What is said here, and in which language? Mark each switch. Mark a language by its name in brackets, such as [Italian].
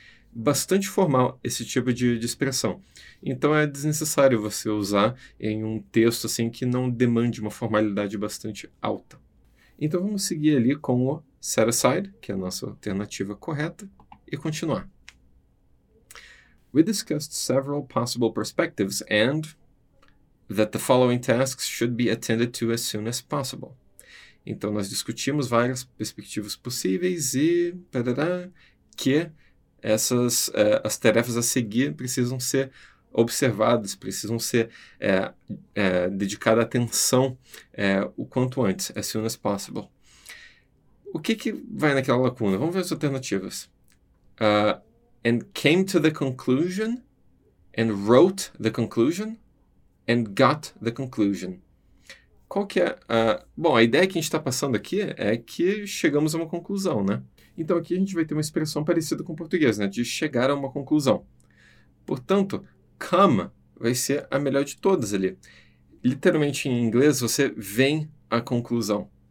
[Portuguese] Bastante formal esse tipo de expressão. Então, é desnecessário você usar em um texto assim que não demande uma formalidade bastante alta. Então, vamos seguir ali com o set aside, que é a nossa alternativa correta, e continuar. [English] We discussed several possible perspectives and that the following tasks should be attended to as soon as possible. [Portuguese] Então, nós discutimos várias perspectivas possíveis e tarará, que essas as tarefas a seguir precisam ser observadas, precisam ser dedicada atenção o quanto antes, as soon as possible. O que que vai naquela lacuna? Vamos ver as alternativas. [English] And came to the conclusion, and wrote the conclusion, and got the conclusion. [Portuguese] Qual que é a... Bom, a ideia que a gente está passando aqui é que chegamos a uma conclusão, né? Então, aqui a gente vai ter uma expressão parecida com o português, né? De chegar a uma conclusão. Portanto, come vai ser a melhor de todas ali. Literalmente, em inglês, você vem à conclusão.